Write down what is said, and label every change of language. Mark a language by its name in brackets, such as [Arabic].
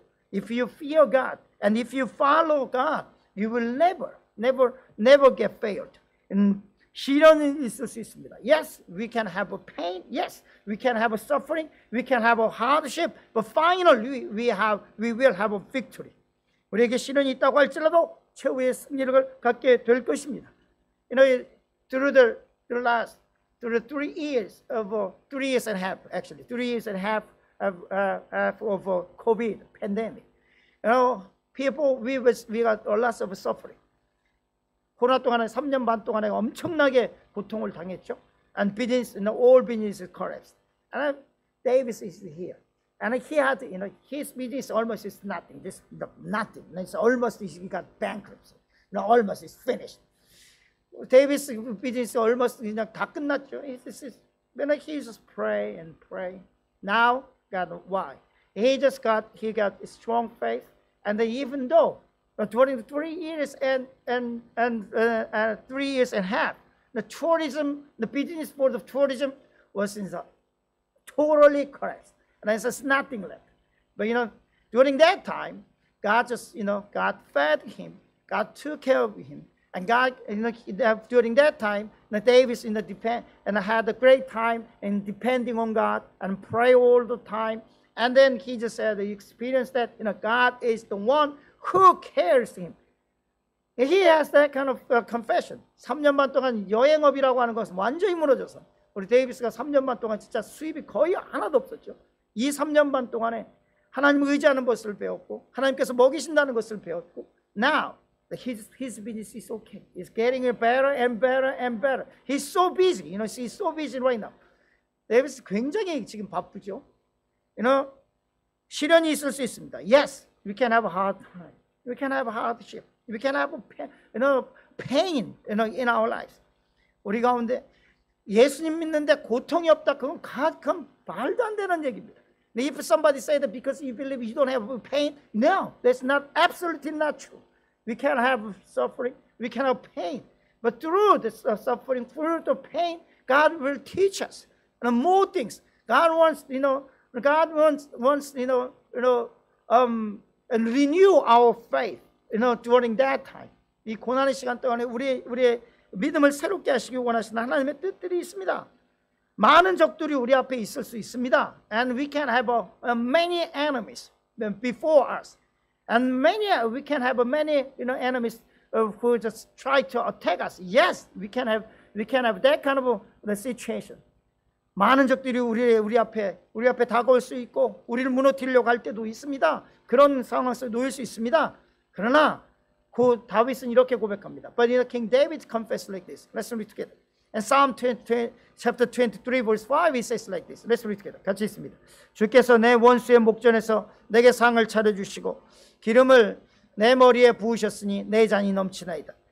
[English] If you fear God and if you follow God, you will never get failed. [Korean] 시련이 있을 수 있습니다. [English] Yes, we can have a pain. Yes, we can have a suffering. We can have a hardship. But finally, we will have a victory. [Korean] 우리에게 시련이 있다고 할지라도 최후의 승리를 갖게 될 것입니다. [English] You know, through the three years and a half of COVID pandemic, you know, we got a lot of suffering. [Korean] 코로나 동안에 3년 반 동안에 엄청나게 고통을 당했죠. [English] And business, you know, all business collapsed. And Davis is here. And he had, you know, his business almost is nothing. This nothing. It's almost he got bankrupt. No, almost is finished. David's business almost, you know, [Korean] 다 끝났죠. [English] He just pray and pray. Now, God, why? He got strong faith. And even though during 3 years and 3 years and a half, the tourism, the business board of tourism was in the totally collapsed. And there's just nothing left. But, you know, during that time, God just, you know, God fed him. God took care of him. And God, you know, during that time, David's in the depend, and had a great time in depending on God and pray all the time. And then he just said, he experienced that, you know, God is the one who cares him. And he has that kind of confession. [Korean] 3년 동안 여행업이라고 하는 것은 완전히 무너져서 우리 데이비스가 3년 반 동안 진짜 수입이 거의 하나도 없었죠. 이 3년 반 동안에 하나님 의지하는 것을 배웠고 하나님께서 먹이신다는 것을 배웠고 [English] now his business is okay. It's getting better and better and better. He's so busy. You know, he's so busy right now. [Korean] 데이비스 굉장히 지금 바쁘죠. [English] You know, [Korean] 시련이 있을 수 있습니다. [English] Yes, we can have a hard time. We can have a hardship. We can have a pain, you know, pain, you know, in our lives. [Korean] 우리 가운데 예수님 믿는데 고통이 없다. 그건 God, 그건 말도 안 되는 얘기입니다. [English] If somebody said that because you believe you don't have pain, no, that's not absolutely not true. We can have suffering, we can have pain. But through this suffering, through the pain, God will teach us more things. God wants, you know, and renew our faith, you know, during that time. [Korean] 이 고난의 시간 동안에 우리의 믿음을 새롭게 하시기 원하시는 하나님의 뜻들이 있습니다. 많은 적들이 우리 앞에 있을 수 있습니다. [English] And we can have many enemies before us. And many, we can have many, you know, enemies who just try to attack us. Yes, we can have that kind of a situation. [Korean] 많은 적들이 우리 앞에 다가올 수 있고 우리를 무너뜨리려고 할 때도 있습니다. 그런 상황에서 놓일 수 있습니다. 그러나 그 다윗은 이렇게 고백합니다. [English] But you know, King David confessed like this. Let's read together. And Psalm 20, chapter 23, verse 5, he says like this. Let's read together. [Korean] 같이 있습니다. 주께서 내 원수의 목전에서 내게 상을 차려주시고 기름을 내 머리에 부으셨으니 내 잔이 넘치나이다.